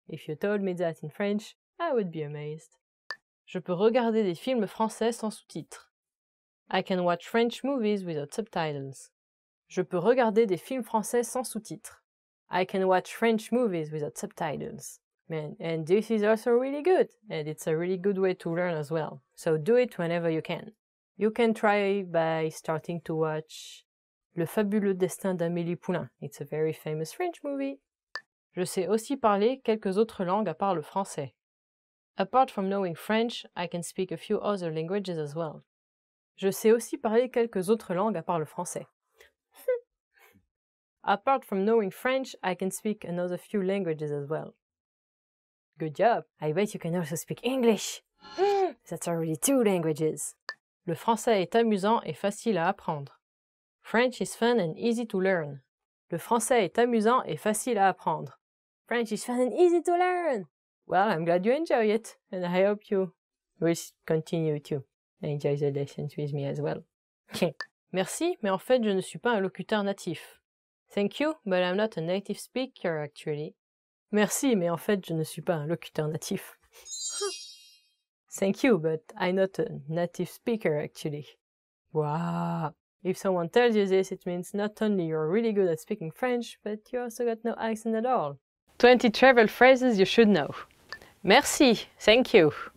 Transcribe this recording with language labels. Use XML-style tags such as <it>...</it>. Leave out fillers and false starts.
<en>If you told me that in French, I would be amazed.</en> <fr>Je peux regarder des films français sans sous-titres.</fr> <en>I can watch French movies without subtitles.</en> <fr>Je peux regarder des films français sans sous-titres.</fr> <en>I can watch French movies without subtitles. Man, and this is also really good, and it's a really good way to learn as well. So do it whenever you can. You can try by starting to watch</en> <fr>Le fabuleux destin d'Amélie Poulain.</fr> <en>It's a very famous French movie.</en> <fr>Je sais aussi parler quelques autres langues à part le français.</fr> <en>Apart from knowing French, I can speak a few other languages as well.</en> <fr>Je sais aussi parler quelques autres langues à part le français.</fr> <en>Apart from knowing French, I can speak another few languages as well. Good job! I bet you can also speak English! That's already 2 languages!</en> <fr>Le français est amusant et facile à apprendre.</fr> <en>French is fun and easy to learn.</en> <fr>Le français est amusant et facile à apprendre.</fr> <en>French is fun and easy to learn! Well, I'm glad you enjoy it, and I hope you will continue to enjoy the lessons with me as well.</en> <fr>Merci, mais en fait, je ne suis pas un locuteur natif.</fr> <en>Thank you, but I'm not a native speaker, actually.</en> <fr>Merci, mais en fait, je ne suis pas un locuteur natif.</fr> <en>Thank you, but I'm not a native speaker, actually. Wow! If someone tells you this, it means not only you're really good at speaking French, but you also got no accent at all. 20 travel phrases you should know. Merci, thank you.</en>